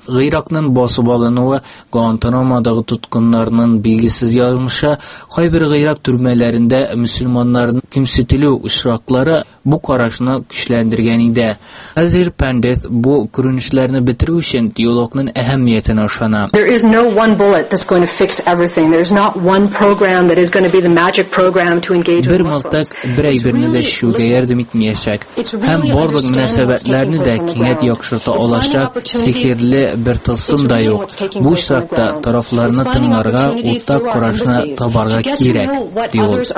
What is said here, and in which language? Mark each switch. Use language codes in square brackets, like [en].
[tt] Гыйракның басып алынуы, Гуантанамодагы тоткыннарның билгесез язмышы, кайбер гыйрак төрмәләрендә мусульманнарны кимсетелү очраклары бу карашны көчләндергән иде. Хәзер Пандит бу күренешләрне бетерү өчен диалогның әһәмиятенә ышана. [en] There is no one bullet that's going to fix everything. There's not one program that is going to be the magic program to engage with Muslims. [tt] Бер мылтык бер әйберне дә шуга ярдәм итмәячәк. Һәм барлык мөнәсәбәтләрне дә киңәт яхшырта алачак. Сихирле бер тылсым да юк. Бу шартта тарафларны тыңларга, уртак курашны табарга кирәк, ди ул.